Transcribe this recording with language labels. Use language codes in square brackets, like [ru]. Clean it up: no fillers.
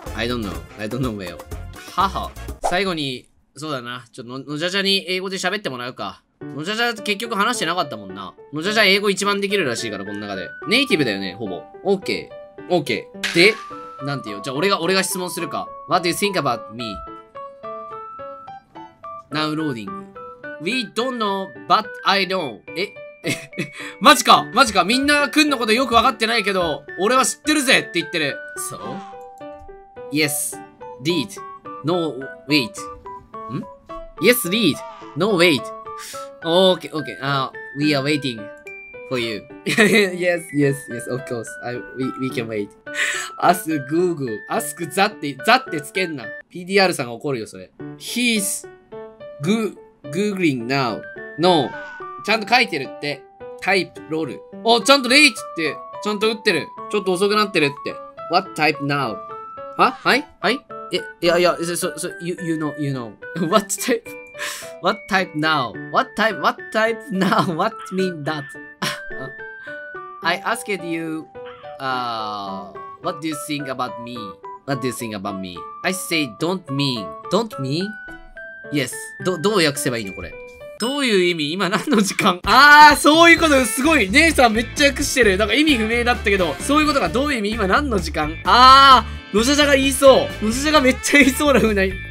[en] I don't know where. 母。 [ja] 最後に、そうだな。ちょっと、のじゃじゃに英語で喋ってもらうか。のじゃじゃ結局話してなかったもんな。のじゃじゃ英語一番できるらしいから、この中で。ネイティブだよね、ほぼ。 [en] OK。 OK。 [ja] で、なんて言うよ。じゃあ俺が質問するか。 [en] What do you think about me?Now loading.We don't know, but I don't. [ja] え？マジか！マジか！みんなくんのことよくわかってないけど、俺は知ってるぜって言ってる。 [en] So? Yes. Read. No, wait. ん ?Yes, read. No, wait. Okay, okay, we are waiting for you. yes, yes, yes, of course. We can wait. Ask Google. [ja] Ask ザってつけんな。PDR さんが怒るよ、それ。 [en] He's Googling now. No. [ja] ちゃんと書いてるって。 [en] Type, ロール。 [ja] お、ちゃんとレイチって、ちゃんと打ってる。ちょっと遅くなってるって。 [en] What type now? は？はい？はい？え、いや、you know.What type? What type now? What type now? What mean that? I asked you, what do you think about me? What do you think about me? I say don't mean. Don't mean? Yes. [ja] どう訳せばいいのこれ。どういう意味？今何の時間？あー、そういうことすごい。姉さんめっちゃ訳してる。なんか意味不明だったけど、そういうことがどういう意味？今何の時間？あー、のじゃじゃが言いそう。のじゃじゃがめっちゃ言いそうな風な。